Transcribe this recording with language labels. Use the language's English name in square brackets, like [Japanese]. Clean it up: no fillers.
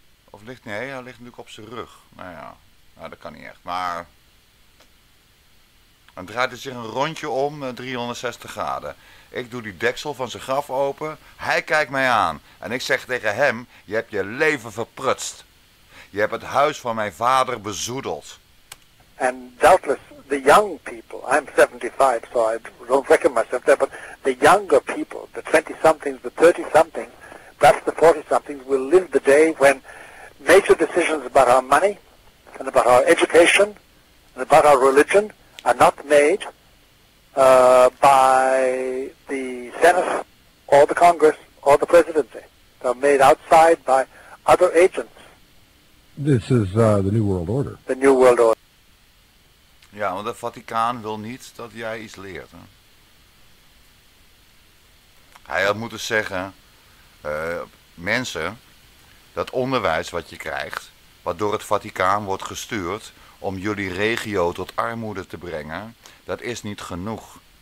[Dutch] Of ligt, nee, hij ligt natuurlijk op zijn rug. Nou ja, nou, dat kan niet echt, maar... Dan draait hij zich een rondje om, 360 graden. Ik doe die deksel van zijn graf open. Hij kijkt mij aan. En ik zeg tegen hem, je hebt je leven verprutst. Je hebt het huis van mijn vader bezoedeld. [English] En doubtless the young people, I'm 75, so I don't reckon myself there, but the younger people, the 20-somethings, the 30-somethings, perhaps the 40-somethings, will live the day when major decisions about our money, and about our education, and about our religion, are not made by the Senate or the Congress or the presidency. They're made outside by other agents. This is the New World Order. The New World Order. [Dutch] Ja, want de Vaticaan wil niet dat jij iets leert. Hè? Hij had moeten zeggen, mensen, dat onderwijs wat je krijgt, wat door het Vaticaan wordt gestuurd om jullie regio tot armoede te brengen, dat is niet genoeg.